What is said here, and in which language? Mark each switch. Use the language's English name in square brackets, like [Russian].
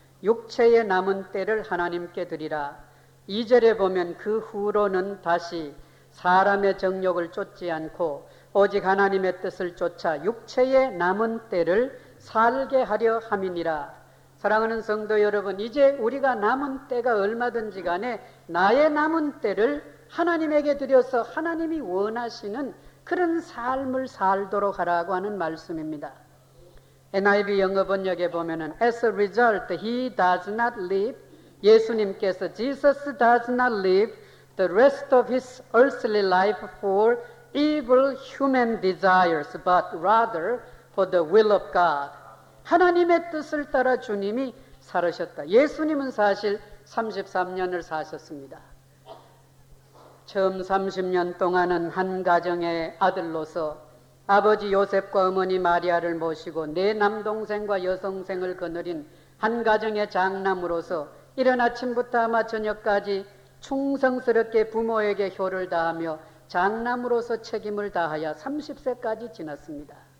[Korean] 육체의 남은 때를 하나님께 드리라. 2절에 보면 그 후로는 다시 사람의 정욕을 쫓지 않고 오직 하나님의 뜻을 쫓아 육체의 남은 때를 살게 하려 함이니라. 사랑하는 성도 여러분, 이제 우리가 남은 때가 얼마든지 간에 나의 남은 때를 하나님에게 드려서 하나님이 원하시는 그런 삶을 살도록 하라고 하는 말씀입니다. NIV 영어 번역에 보면은 [English] As a result, he does not live, [Korean] 예수님께서, [English] Jesus does not live the rest of his earthly life for evil human desires, but rather for the will of God. [Korean] 하나님의 뜻을 따라 주님이 살으셨다. 예수님은 사실 33년을 사셨습니다. 처음 30년 동안은 한 가정의 아들로서 아버지 요셉과 어머니 마리아를 모시고 내 남동생과 여동생을 거느린 한 가정의 장남으로서 이른 아침부터 아마 저녁까지 충성스럽게 부모에게 효를 다하며 장남으로서 책임을 다하여 30세까지 지났습니다.